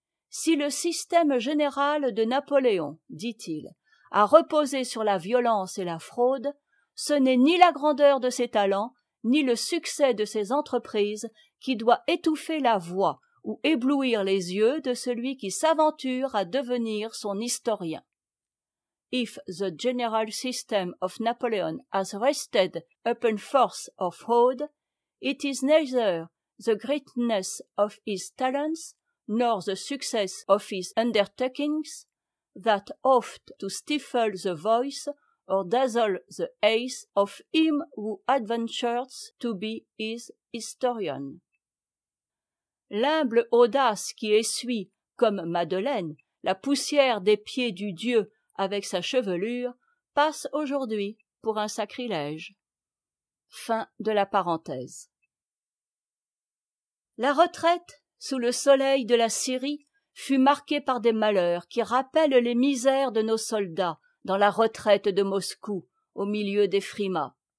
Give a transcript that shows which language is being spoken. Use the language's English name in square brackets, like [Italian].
[French] Si le système général de Napoléon, dit-il, a reposé sur la violence et la fraude, ce n'est ni la grandeur de ses talents, ni le succès de ses entreprises qui doit étouffer la voix ou éblouir les yeux de celui qui s'aventure à devenir son historien. [English] If the general system of Napoleon has rested upon force or fraud, it is neither the greatness of his talents nor the success of his undertakings that oft to stifle the voice or dazzle the eyes of him who adventures to be his historian. [French] L'humble audace qui essuie, comme Madeleine, la poussière des pieds du dieu avec sa chevelure, passe aujourd'hui pour un sacrilège. Fin de la parenthèse. La retraite, sous le soleil de la Syrie, fut marquée par des malheurs qui rappellent les misères de nos soldats dans la retraite de Moscou, au milieu des frimas.